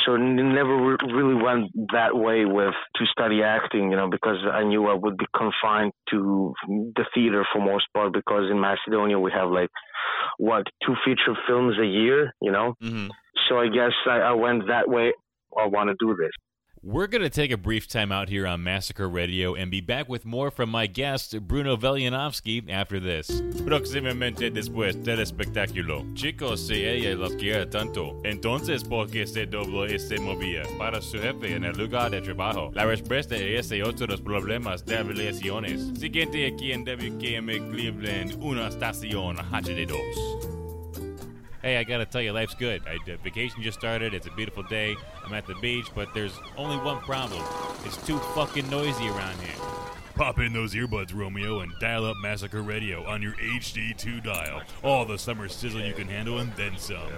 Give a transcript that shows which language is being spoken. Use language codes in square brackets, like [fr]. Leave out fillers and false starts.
[en] So never really went that way with to study acting, you know, because I knew I would be confined to the theater for most part, because in Macedonia we have like, what, 2 feature films a year, you know? Mm-hmm. So I guess I went that way. I want to do this. We're going to take a brief time out here on Massacre Radio and be back with more from my guest, Bruno Veljanovski, after this. [es] Próximamente después del espectáculo. Chicos, si ella lo quiere tanto, entonces por qué se dobló y se movía para su jefe en el lugar de trabajo. La respuesta es de otros problemas de relaciones. Siguiente aquí en WKM Cleveland, una estación HD2. [en] Hey, I gotta tell you, life's good. The vacation just started, it's a beautiful day, I'm at the beach, but there's only one problem. It's too fucking noisy around here. Pop in those earbuds, Romeo, and dial up Massacre Radio on your HD2 dial. All the summer sizzle you can handle and then some.